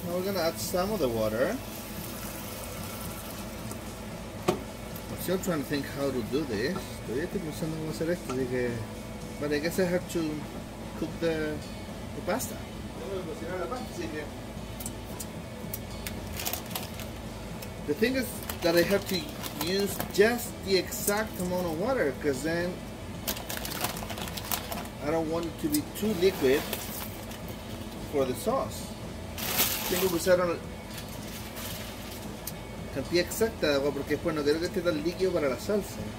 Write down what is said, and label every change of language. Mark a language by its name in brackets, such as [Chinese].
[English] Now we're gonna add some of the water. I'm still trying to think how to do this. [Spanish] Todavía estoy pensando cómo hacer esto, así que... [English] But I guess I have to cook the pasta. [Spanish] Tengo que cocinar la pasta, así que... [English] The thing is that I have to use just the exact amount of water, because then I don't want it to be too liquid for the sauce. [Spanish] Tengo que usar una cantidad exacta de agua porque después no quiero que esté tan líquido para la salsa.